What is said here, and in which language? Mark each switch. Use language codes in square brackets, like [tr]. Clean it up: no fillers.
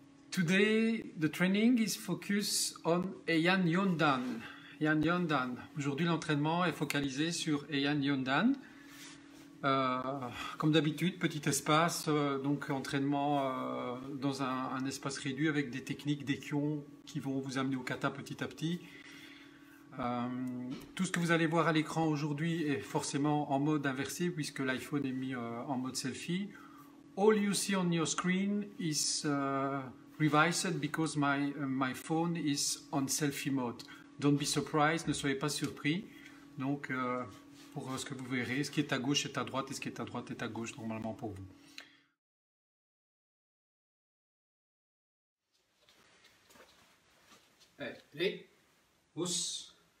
[en] Today the training is focused on Eyan Yeondan. [fr] Eyan Yeondan. Aujourd'hui l'entraînement est focalisé sur Eyan Yeondan. Comme d'habitude, petit espace, donc entraînement dans un espace réduit avec des techniques, des kions qui vont vous amener au kata petit à petit. Tout ce que vous allez voir à l'écran aujourd'hui est forcément en mode inversé puisque l'iPhone est mis en mode selfie. [en] All you see on your screen is revised because my phone is on selfie mode. Don't be surprised, [fr] ne soyez pas surpris. Donc, pour ce que vous verrez, ce qui est à gauche est à droite et ce qui est à droite est à gauche normalement pour vous. Allez, os.